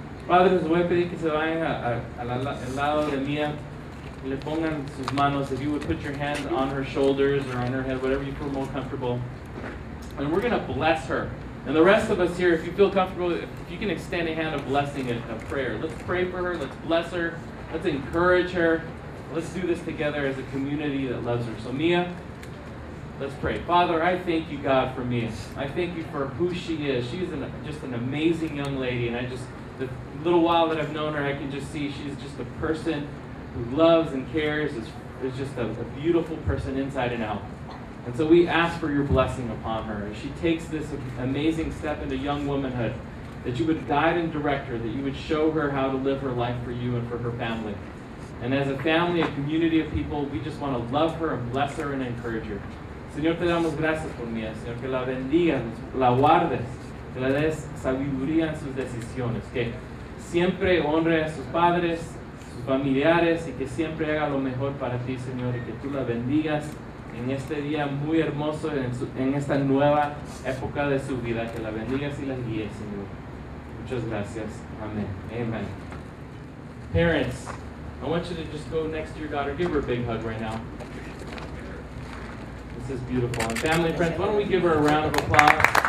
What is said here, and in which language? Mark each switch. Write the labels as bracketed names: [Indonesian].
[Spanish] Padre, les voy a pedir que se vayan al lado de Mía y le pongan sus manos. [English] If you would put your hand on her shoulders or on her head, whatever you feel more comfortable. And we're going to bless her. And the rest of us here, if you feel comfortable, if you can extend a hand of blessing and a prayer. Let's pray for her. Let's bless her. Let's encourage her. Let's do this together as a community that loves her. So Mía, let's pray. Father, I thank you, God, for Mia. I thank you for who she is. She's just an amazing young lady. And I just, the little while that I've known her, I can just see she's just a person who loves and cares. Is just a beautiful person inside and out. And so we ask for your blessing upon her. As she takes this amazing step into young womanhood, that you would guide and direct her, that you would show her how to live her life for you and for her family. And as a family, a community of people, we just want to love her and bless her and encourage her. [Spanish] Señor, te damos gracias por mí, Señor, que la bendigas, la guardes, que le des sabiduría en sus decisiones, que siempre honre a sus padres, sus familiares, y que siempre haga lo mejor para ti, Señor, y que tú la bendigas en este día muy hermoso, en esta nueva época de su vida, que la bendigas y la guíes, Señor. Muchas gracias. Amén. Amen. [English] Parents, I want you to just go next to your daughter. Give her a big hug right now. This is beautiful. And family and friends, why don't we give her a round of applause?